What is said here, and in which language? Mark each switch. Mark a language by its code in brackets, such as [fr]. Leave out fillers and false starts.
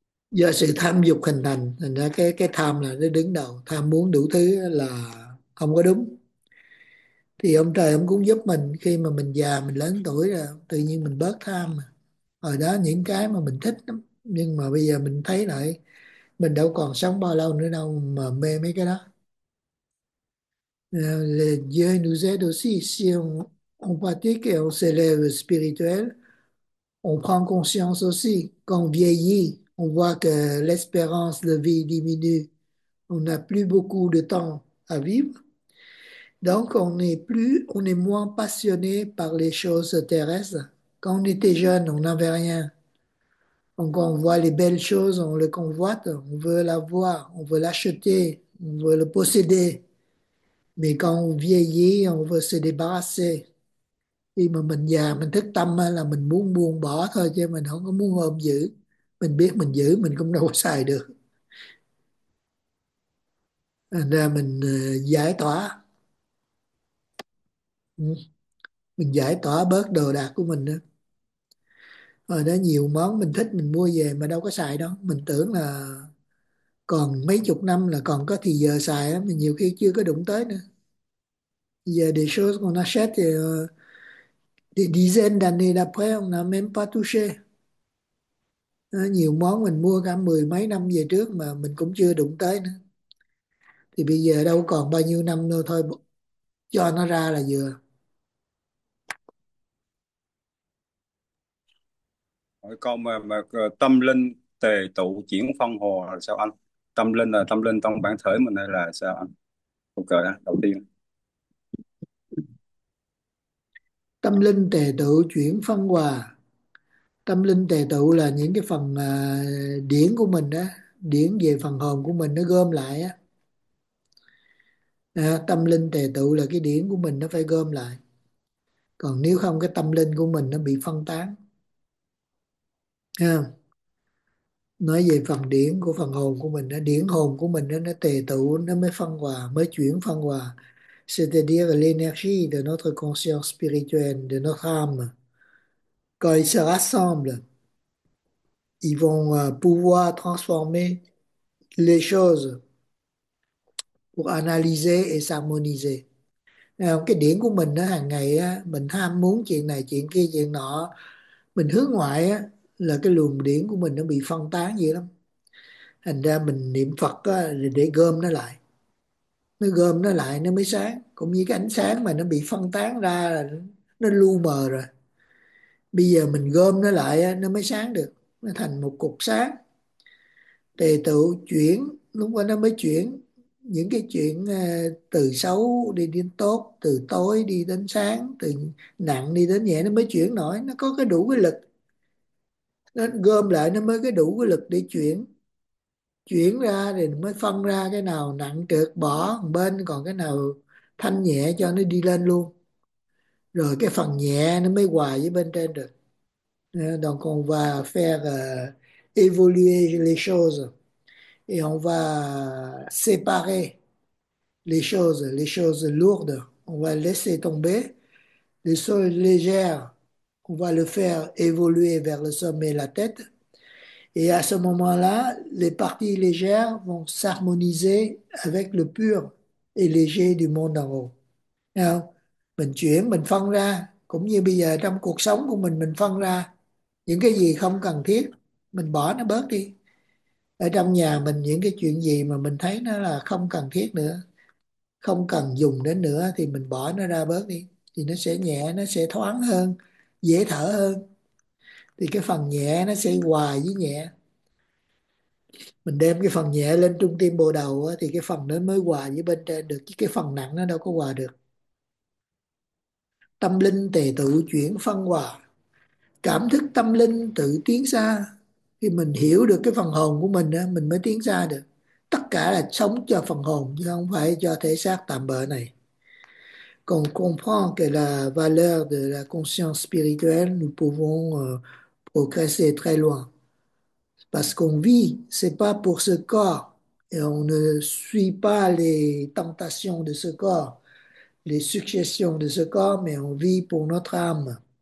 [vi] Do sự tham dục hình thành, thành ra cái tham là nó đứng đầu, tham muốn đủ thứ là không có đúng. Thì ông trời ông cũng giúp mình khi mà mình già mình lớn tuổi rồi, tự nhiên mình bớt tham mà. Hồi đó những cái mà mình thích lắm, nhưng mà bây giờ mình thấy lại mình đâu còn sống bao lâu nữa đâu mà mê mấy cái đó. [fr] Le Dieu nous aide aussi si on pratique et on s'élève spirituel, on prend conscience aussi qu'on vieillit. On voit que l'espérance de vie diminue. On n'a plus beaucoup de temps à vivre. Donc, on est moins passionné par les choses terrestres. Quand on était jeune, on n'avait rien. Donc, on voit les belles choses, on les convoite, on veut l'avoir, on veut l'acheter, on veut le posséder. Mais quand on vieillit, on veut se débarrasser. [vi] Khi mà mình già, mình thức tâm là mình muốn buông bỏ thôi, chứ mình không có muốn ôm giữ. Mình biết mình giữ mình cũng đâu có xài được, thành ra mình giải tỏa, mình giải tỏa bớt đồ đạc của mình nữa. Rồi đó nhiều món mình thích mình mua về mà đâu có xài đâu, mình tưởng là còn mấy chục năm là còn có thì giờ xài đó, mình nhiều khi chưa có đụng tới nữa. [fr] Giờ des choses qu'on achète des dizaines d'années d'après on n'a même pas touché. [vi] Nhiều món mình mua cả mười mấy năm về trước mà mình cũng chưa đụng tới nữa. Thì bây giờ đâu còn bao nhiêu năm nữa thôi, cho nó ra là vừa. Câu mà tâm linh tề tụ chuyển phân hòa là sao anh? Tâm linh là tâm linh trong bản thể mình hay là sao anh? Câu cờ đó đầu tiên. Tâm linh tề tựu chuyển phân hòa. Tâm linh tề tựu là những cái phần điển của mình đó, điển về phần hồn của mình nó gom lại á. Tâm linh tề tựu là cái điển của mình nó phải gom lại. Còn nếu không cái tâm linh của mình nó bị phân tán. Nói về phần điển của phần hồn của mình đó, điển hồn của mình đó, nó tề tựu nó mới phân hòa, mới chuyển phân hòa. [fr] C'est-à-dire l'énergie de notre conscience spirituelle, de notre âme. Quand ils se rassemblent, ils vont pouvoir transformer les choses pour analyser et s'harmoniser. [vi] Cái điển của mình đó, hàng ngày mình ham muốn chuyện này, chuyện kia, chuyện nọ. Mình hướng ngoại là cái luồng điển của mình nó bị phân tán vậy lắm. Thành ra mình niệm Phật để gom nó lại. Nó gom nó lại nó mới sáng. Cũng như cái ánh sáng mà nó bị phân tán ra là nó lu mờ rồi. Bây giờ mình gom nó lại nó mới sáng được, nó thành một cục sáng. Tề tựu chuyển, lúc đó nó mới chuyển những cái chuyện từ xấu đi đến tốt, từ tối đi đến sáng, từ nặng đi đến nhẹ, nó mới chuyển nổi, nó có cái đủ cái lực. Nó gom lại nó mới cái đủ cái lực để chuyển. Chuyển ra thì mới phân ra cái nào nặng trược bỏ một bên, còn cái nào thanh nhẹ cho nó đi lên luôn. Rồi cái phần nhẹ nó mới hòa với bên trên được. [fr] Donc on va faire évoluer les choses. Et on va séparer les choses lourdes. On va laisser tomber les choses légères. On va le faire évoluer vers le sommet, la tête. Et à ce moment-là, les parties légères vont s'harmoniser avec le pur et léger du monde en haut. [vi] Mình chuyển, mình phân ra, cũng như bây giờ trong cuộc sống của mình phân ra những cái gì không cần thiết mình bỏ nó bớt đi. Ở trong nhà mình những cái chuyện gì mà mình thấy nó là không cần thiết nữa, không cần dùng đến nữa thì mình bỏ nó ra bớt đi, thì nó sẽ nhẹ, nó sẽ thoáng hơn, dễ thở hơn. Thì cái phần nhẹ nó sẽ hòa với nhẹ. Mình đem cái phần nhẹ lên trung tâm bộ đầu á, thì cái phần nó mới hòa với bên trên được, chứ cái phần nặng nó đâu có hòa được. Tâm linh tề tự chuyển phân hòa, cảm thức tâm linh tự tiến xa. Khi mình hiểu được cái phần hồn của mình á, mình mới tiến xa được. Tất cả là sống cho phần hồn chứ không phải cho thể xác tạm bợ này. [fr] Còn comprendre que la valeur de la conscience spirituelle, nous pouvons progresser très loin. Parce qu'on vit, c'est pas pour ce corps, et on ne suit pas les tentations de ce corps, les suggestions de ce corps, mais on vit pour notre âme.